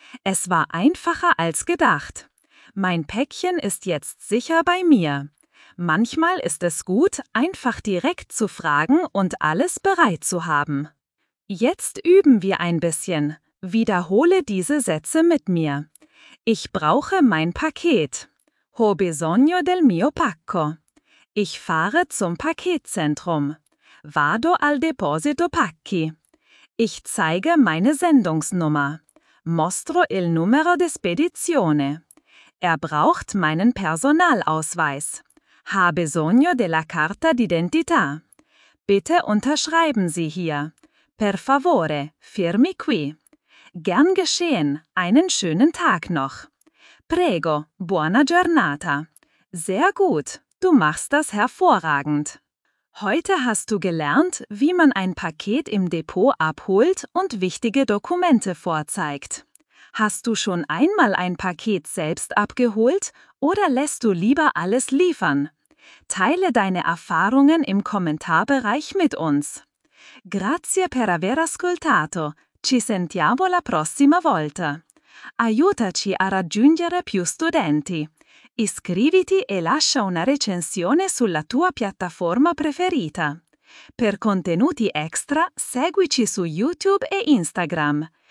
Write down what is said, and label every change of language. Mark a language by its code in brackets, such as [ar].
[de] Es war einfacher als gedacht. Mein Päckchen ist jetzt sicher bei mir. Manchmal ist es gut, einfach direkt zu fragen und alles bereit zu haben. Jetzt üben wir ein bisschen. Wiederhole diese Sätze mit mir. Ich brauche mein Paket. [it] Ho bisogno del mio pacco. [de] Ich fahre zum Paketzentrum. [it] Vado al deposito pacchi. [de] Ich zeige meine Sendungsnummer. [it] Mostro il numero di spedizione. [de] Er braucht meinen Personalausweis. [it] Ha bisogno della carta d'identità. [de] Bitte unterschreiben Sie hier. [it] Per favore, firmi qui. [de] Gern geschehen, einen schönen Tag noch. [it] Prego, buona giornata. [de] Sehr gut, du machst das hervorragend. Heute hast du gelernt, wie man ein Paket im Depot abholt und wichtige Dokumente vorzeigt. Hast du schon einmal ein Paket selbst abgeholt oder lässt du lieber alles liefern? Teile deine Erfahrungen im Kommentarbereich mit uns. [it] Grazie per aver ascoltato. Ci sentiamo la prossima volta. Aiutaci a raggiungere più studenti. Iscriviti e lascia una recensione sulla tua piattaforma preferita. Per contenuti extra, seguici su YouTube e Instagram.